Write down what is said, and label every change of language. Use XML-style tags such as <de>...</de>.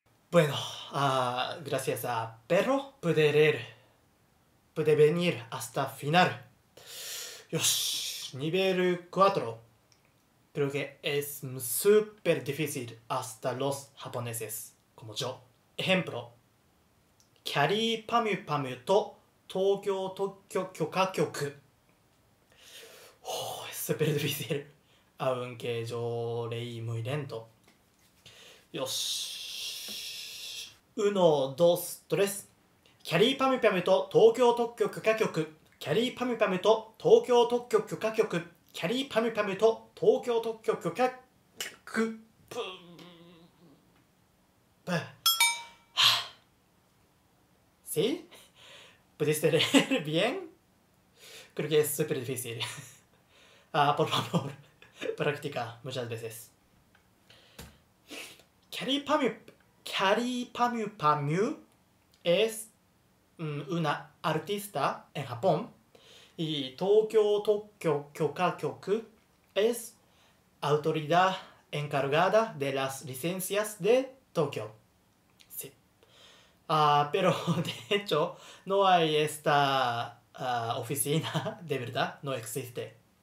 <es>Bueno, gracias a perro pude leer. Pude venir hasta final. Yo, nivel 4. Creo que es súper difícil hasta los japoneses, como yo.</es> <ja>Ejemplo: キャリーパミュパミュと東京特許許可局。</ja> <es>Oh, es súper difícil. Aunque yo leí muy lento. Yo, uno, dos, tres.</es> <ja>キャリーパミュパミュと東京特許許可局。キャリーパミュパミュと東京特許許可局。キャリーパミュパミュと東京特許許可局。ブーブー。はぁ。</ja> <es>¿Pudiste leer bien? Creo que es súper difícil. por favor, practica muchas veces.</es> <ja>キャリーパミュ、キャリーパミュパミュ es...</ja> <es>una artista en Japón y Tokyo Tokyo Kyokakyoku es autoridad encargada de las licencias de Tokyo. Sí. Pero de hecho no hay esta oficina de verdad, no existe.</es>